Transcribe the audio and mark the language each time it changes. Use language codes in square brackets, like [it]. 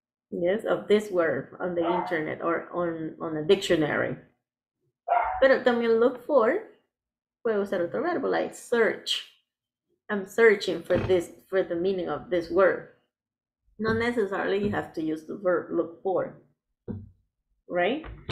[en] Yes, of this word on the internet or on a dictionary. [es] Pero también look for, puedo usar otro verbo, like search. [en] I'm searching for this, for the meaning of this word. Not necessarily you have to use the verb look for, right?